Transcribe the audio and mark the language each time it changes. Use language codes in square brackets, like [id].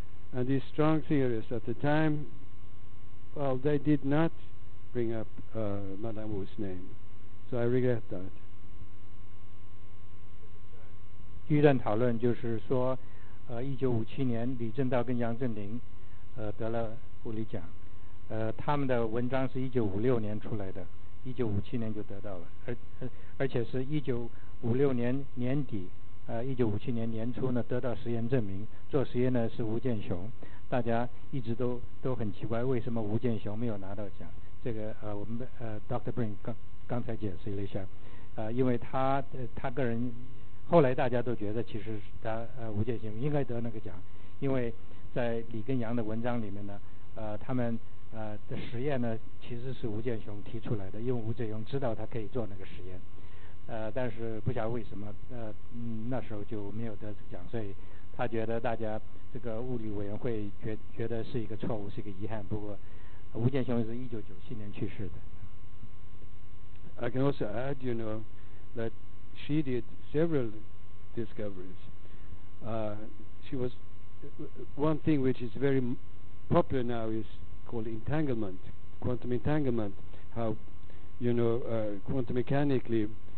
[en] And these strong theorists at the time, they did not bring up Madame Wu's name. So I regret that. [zh] 1957年，李政道跟杨振宁，得了物理奖，他们的文章是1956年出来的，1957年就得到了，而且是1956年年底， 1957年年初呢，得到实验证明，做实验呢是吴健雄。大家一直都很奇怪，为什么吴健雄没有拿到奖？这个我们Dr. Brin 刚才解释了一下，因为他个人，后来大家都觉得其实他吴健雄应该得那个奖，因为在李根阳的文章里面呢，他们的实验呢其实是吴健雄提出来的，因为吴健雄知道他可以做那个实验。但是不晓得为什么，那时候就没有得奖，所以他觉得大家这个物理委员会觉得是一个错误，是一个遗憾。不过，吴健雄是1997年去世的。 [en] I can also add, you know, that she did several discoveries. She was one thing which is very popular now is called entanglement, quantum entanglement. How, you know, quantum mechanically.